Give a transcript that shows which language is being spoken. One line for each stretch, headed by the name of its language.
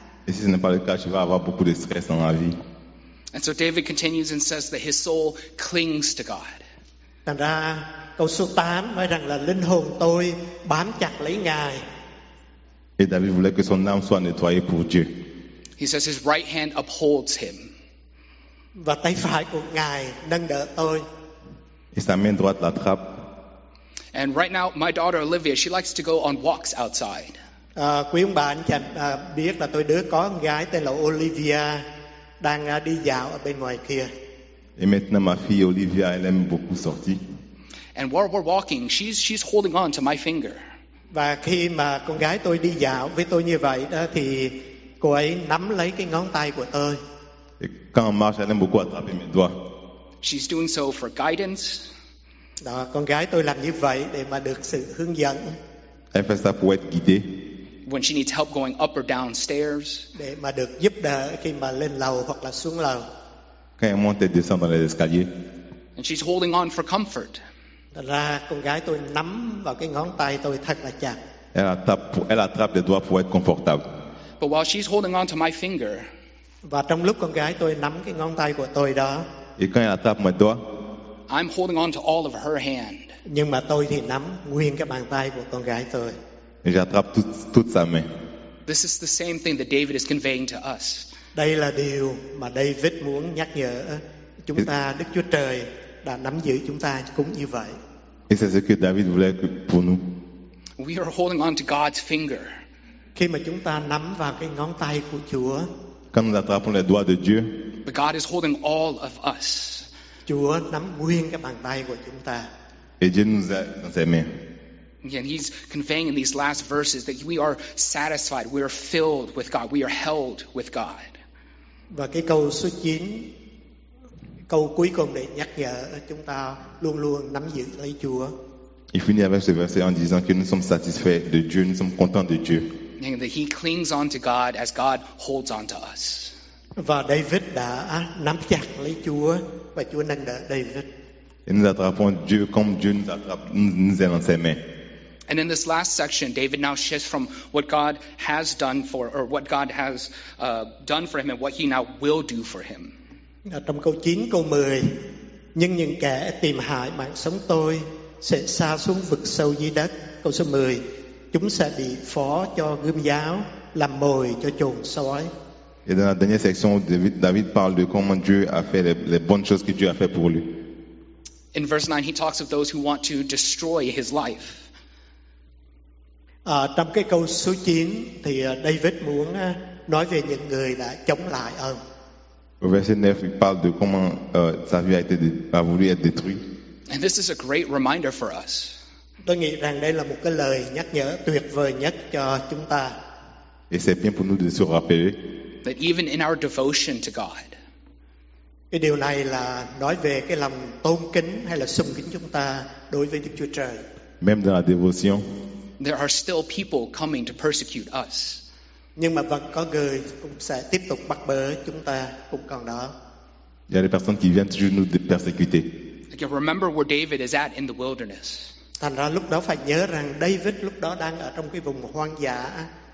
French: Et si ce n'est pas le cas, tu vas avoir beaucoup de stress dans la vie.
English: And so David continues and says that his soul clings to God.
Vietnamese: Thành ra câu số 8 nói rằng là linh hồn tôi bám chặt lấy Ngài.
French: Et David voulait que son âme soit nettoyée pour Dieu.
English: He says his right hand upholds him.
Vietnamese: Và tay phải của Ngài nâng đỡ tôi.
French: Et sa main droite l'attrape.
English: And right now my daughter Olivia, she likes to go on walks outside.
Vietnamese: Quý ông bà anh chị biết là tôi đứa có con gái tên là Olivia đang đi dạo ở bên ngoài kia.
French: Et maintenant ma fille Olivia elle aime beaucoup sortir.
English: And while we're walking, she's holding on to my finger.
Vietnamese: Và khi mà con gái tôi đi dạo với tôi như vậy đó thì cô ấy nắm lấy cái ngón tay của tôi.
French: Et quand on marche, elle aime beaucoup attraper mes doigts.
English: She's doing so for guidance.
Vietnamese: Đó, con gái tôi làm như vậy để mà được sự hướng dẫn.
French: Elle fait ça pour être guidée.
English: When she needs help going up or down stairs.
Vietnamese: Để mà được giúp đỡ khi mà lên lầu hoặc là xuống lầu.
French: Quand elle monte et descend dans les escaliers.
English: And she's holding on for comfort.
Vietnamese: Thật ra con gái tôi nắm vào cái ngón tay tôi thật là chặt.
French: Elle attrape les doigts pour être confortable.
English: But while she's holding on to my finger.
Vietnamese: Và trong lúc con gái tôi nắm cái ngón tay của tôi đó.
French: Et quand elle attrape mes doigts.
English: I'm holding on to all of her hand.
Vietnamese: Nhưng mà tôi thì nắm nguyên cái bàn tay của con gái tôi.
French: Et j'attrape toute sa main.
English: This is the same thing that David is conveying to us.
Vietnamese: Đây là điều mà David muốn nhắc nhở chúng ta, Đức Chúa Trời đã nắm giữ chúng ta cũng như vậy.
French: Et c'est ce que David voulait pour nous.
English: We are holding on to God's finger.
Vietnamese: Khi mà chúng ta nắm vào cái ngón tay của Chúa.
French: Quand nous attrapons les doigts de Dieu.
English: But God is holding all of us.
Vietnamese: Chúa nắm nguyên cái bàn tay của chúng ta.
French: Et Dieu nous a dans ses mains.
English: And he's conveying in these last verses that we are satisfied, we are filled with God, we are held with God.
Vietnamese: Và cái câu số 9, câu cuối cùng để nhắc nhở chúng ta luôn luôn nắm giữ lấy Chúa.
French: Il finit avec ce verset en disant que nous sommes satisfaits de Dieu, nous sommes contents de Dieu.
English: And that he clings on to God as God holds on to us.
Vietnamese: Và David đã nắm chặt lấy Chúa và Chúa nâng đỡ David.
French: Et nous attrapons Dieu comme Dieu nous attrape, nous est dans ses mains.
English: And in this last section, David now shifts from what God has done for, or what God has done for him, and what he now will do for him.
Vietnamese: Trong câu 9, câu 10, nhưng những kẻ tìm hại mạng sống tôi sẽ sa xuống vực sâu dưới đất. Câu số 10, chúng sẽ bị phó cho gươm giáo, làm mồi cho chuồng sói.
French: Et dans la dernière section, David parle de comment Dieu a fait les bonnes choses que Dieu a fait pour lui.
English: In verse 9, he talks of those who want to destroy his life.
Vietnamese: Trong cái câu số 9 thì David muốn nói về những người đã chống lại ông.
French: Verset 9, il parle de comment sa vie a voulu être détruite.
English: And this is a great reminder for us.
Vietnamese: Tôi nghĩ rằng đây là một cái lời nhắc nhở tuyệt vời nhất cho chúng ta.
French: Et c'est bien pour nous de se rappeler.
English: That even in our devotion to God.
Vietnamese: Cái điều này là nói về cái lòng tôn kính hay là sùng kính chúng ta đối với Đức Chúa Trời.
French: Même dans la dévotion.
English: There are still people coming to persecute us.
Vietnamese: Nhưng mà vẫn có người cũng sẽ tiếp tục bắt bớ chúng ta cũng còn đó.
French: Il y a des personnes qui viennent toujours nous persécuter.
English: Okay, remember where David is at in the wilderness.
Vietnamese: Thành ra lúc đó phải nhớ rằng David lúc đó đang ở trong cái vùng hoang dã.